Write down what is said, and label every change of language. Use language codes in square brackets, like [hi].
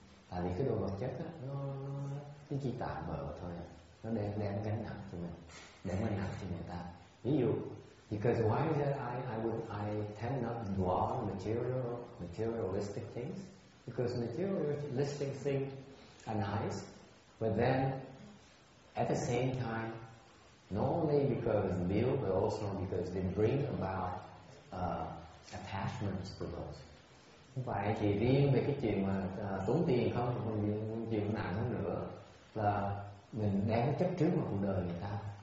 [vi] Tại vì cái đồ vật chất đó, nó chỉ tạm bợ thôi, nó đem gánh nặng cho mình, đem gánh nặng cho người ta. Ví dụ [en] because why is that I tend not to dwell on materialistic things, because materialistic things are nice, but then at the same time, not only because of meal, but also because they bring about attachments to those. [vi] Không phải chỉ riêng về cái chuyện mà tốn tiền không, còn chuyện nặng hơn nữa là mình đang chấp trước vào cuộc đời người ta.